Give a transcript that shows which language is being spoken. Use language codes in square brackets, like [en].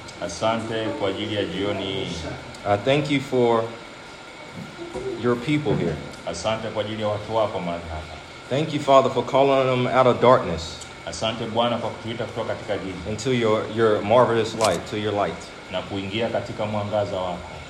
[sw] Asante kwa ajili ya jioni. [en] I thank you for your people here. [sw] Asante kwa ajili ya watu wako mahali hapa. [en] Thank you, Father, for calling them out of darkness. [sw] Asante Bwana kwa kutuita kutoka katika giza. [en] Into your marvelous light, to your light. [sw] Na kuingia katika mwangaza wako.